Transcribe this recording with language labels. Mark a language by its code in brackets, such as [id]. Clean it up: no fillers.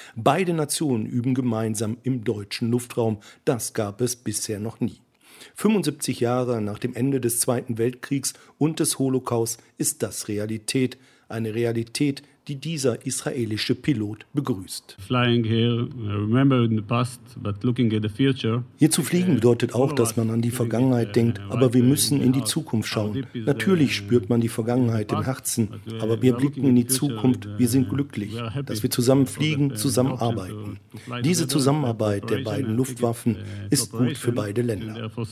[de] Beide Nationen üben gemeinsam im deutschen Luftraum. Das gab es bisher noch nie. 75 Jahre nach dem Ende des Zweiten Weltkriegs und des Holocaust ist das Realität. Eine Realität, die dieser israelische Pilot begrüßt. [en] Flying here, remembering the past, but looking at the future. [de] Hier zu fliegen bedeutet auch, dass man an die Vergangenheit denkt, aber wir müssen in die Zukunft schauen. Natürlich spürt man die Vergangenheit im Herzen, aber wir blicken in die Zukunft, wir sind glücklich, dass wir zusammen fliegen, zusammenarbeiten. Diese Zusammenarbeit der beiden Luftwaffen ist gut für beide Länder.